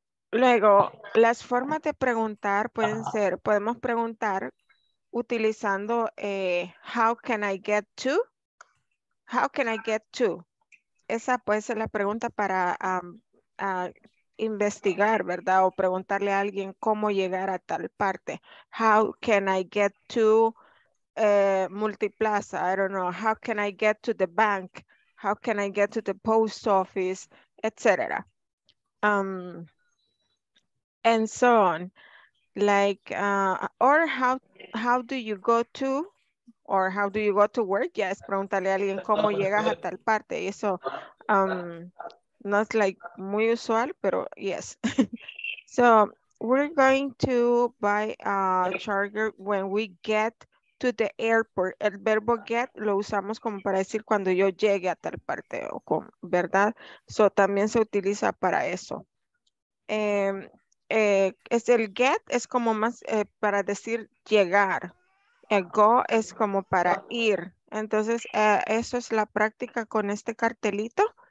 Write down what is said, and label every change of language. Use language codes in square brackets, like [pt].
[es] Luego, las formas de preguntar pueden ser, podemos preguntar utilizando [en] how can I get to? How can I get to? [es] Esa puede ser la pregunta para investigar, ¿verdad? O preguntarle a alguien cómo llegar a tal parte. [en] How can I get to Multiplaza, I don't know, how can I get to the bank, how can I get to the post office, etc. And so on, like, or how do you go to, or how do you go to work, yes, [es] pregúntale a alguien cómo llegas a tal parte, y eso, no es like muy usual, pero yes. [en] So, we're going to buy a charger when we get to the airport. [es] El verbo get lo usamos como para decir cuando yo llegue a tal parte, o con, ¿verdad? So, también se utiliza para eso. Es el get es como más para decir llegar. El go es como para ir. Entonces, eso es la práctica con este cartelito.